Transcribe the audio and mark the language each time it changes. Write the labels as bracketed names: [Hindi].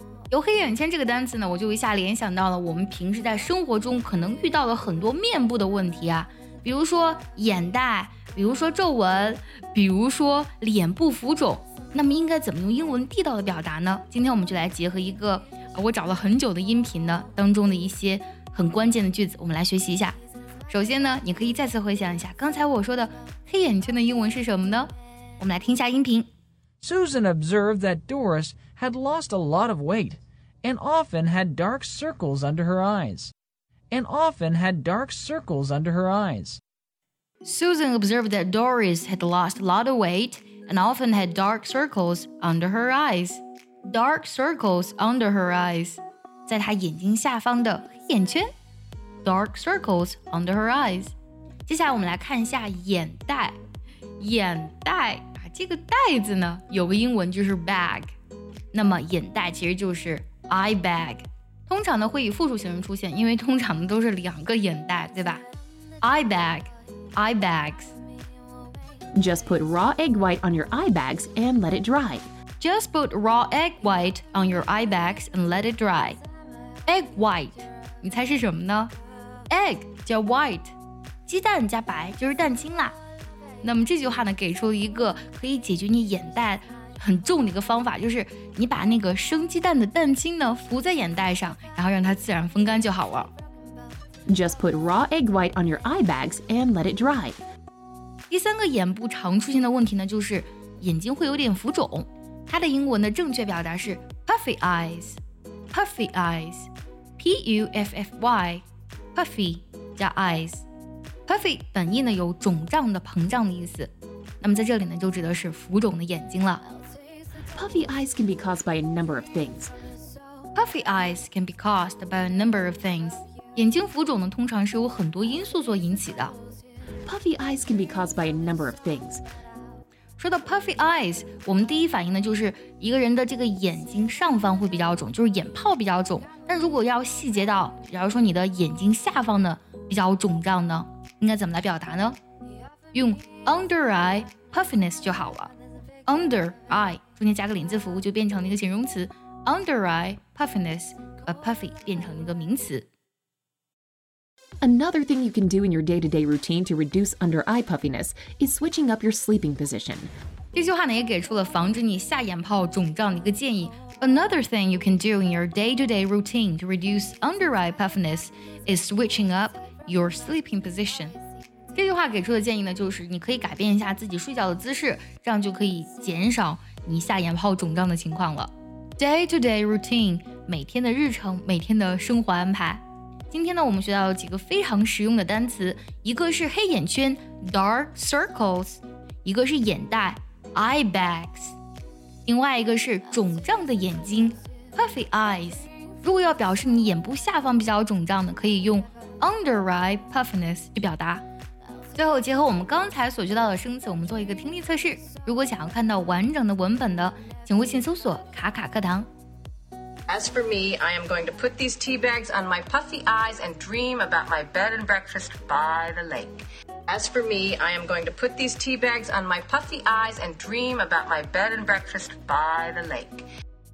[Chinese] 有黑眼圈这个单词呢，我就一下联想到了我们平时在生活中可能遇到了很多面部的问题啊，比如说眼袋，比如说皱纹，比如说脸部浮肿。那么应该怎么用英文地道的表达呢？今天我们就来结合一个我找了很久的音频呢当中的一些很关键的句子，我们来学习一下。首先呢，你可以再次回想一下刚才我说的黑眼圈的英文是什么呢？我们来听一下音频。 [English] Susan observed that Doris had lost a lot of weight and often had dark circles under her eyes. And often had dark circles under her eyes. Susan observed that Doris had lost a lot of weight and often had dark circles under her eyes. Dark circles under her eyes. [Chinese] 在她眼睛下方的黑眼圈。 [English] Dark circles under her eyes. [Chinese] 接下来我们来看一下眼袋。眼袋，这个袋子呢，有个英文就是 bag。那么眼袋其实就是 eye bag。通常呢会以复数形式出现，因为通常都是两个眼袋，对吧？ [English] Eye bag, eye bags. Just put raw egg white on your eye bags and let it dry. Just put raw egg white on your eye bags and let it dry. Egg white. [Chinese] 你猜是什么呢？ Egg 叫 white， 鸡蛋加白就是蛋清啦。那么这句话呢给出了一个可以解决你眼袋很重的一个方法，就是你把那个生鸡蛋的蛋清呢浮在眼袋上，然后让它自然风干就好了。 [English] Just put raw egg white on your eye bags and let it dry. [Chinese] 第三个眼部常出现的问题呢，就是眼睛会有点浮肿。它的英文的正确表达是 puffy eyes， puffy eyesPuffy, puffy 加 eyes， puffy 本意呢有肿胀的、膨胀的意思，那么在这里呢就指的是浮肿的眼睛了。 [English] Puffy eyes can be caused by a number of things. Puffy eyes can be caused by a number of things. [Chinese] 眼睛浮肿呢通常是由很多因素所引起的。 [English] Puffy eyes can be caused by a number of things. [Chinese] 说到 puffy eyes， 我们第一反应呢就是一个人的这个眼睛上方会比较肿，就是眼泡比较肿。但如果要细节到，假如说你的眼睛下方呢比较肿胀呢，应该怎么来表达呢？用 under eye puffiness 就好了。 Under eye 中间加个连字符就变成了一个形容词 ，under eye puffiness， 把 puffy 变成一个名词。 [English] Another thing you can do in your day-to-day routine to reduce under eye puffiness is switching up your sleeping position。 [Chinese] 这句话呢也给出了防止你下眼泡肿胀的一个建议。 [English] Another thing you can do in your day-to-day routine to reduce under-eye puffiness is switching up your sleeping position. [Chinese] 这句话给出的建议呢，就是你可以改变一下自己睡觉的姿势，这样就可以减少你下眼泡肿胀的情况了。 Day-to-day routine， 每天的日程，每天的生活安排。今天呢，我们学到了几个非常实用的单词，一个是黑眼圈 dark circles， 一个是眼袋 eye bags。另外一个是肿胀的眼睛 puffy eyes， 如果要表示你眼部下方比较肿胀的，可以用 under eye puffiness 去表达。最后结合我们刚才所学到的生词，我们做一个听力测试。如果想要看到完整的文本的，请微信搜索卡卡课堂。 [English] As for me, I am going to put these tea bags on my puffy eyes and dream about my bed and breakfast by the lake. As for me, I am going to put these tea bags on my puffy eyes and dream about my bed and breakfast by the lake.